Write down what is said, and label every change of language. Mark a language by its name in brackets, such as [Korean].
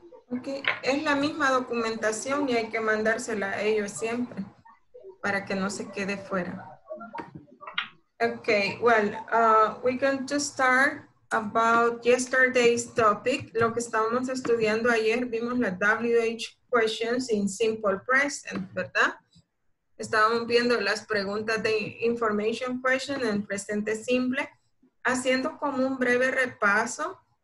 [Spanish] Ok, es la misma documentación y hay que mandársela a ellos siempre para que no se quede fuera. [English] Ok, well, we're going to start about yesterday's topic. [Spanish] Lo que estábamos estudiando ayer, vimos la [English] WH questions in simple present, [Spanish] ¿verdad? Estábamos viendo las preguntas de information question en presente simple, haciendo como un breve repaso.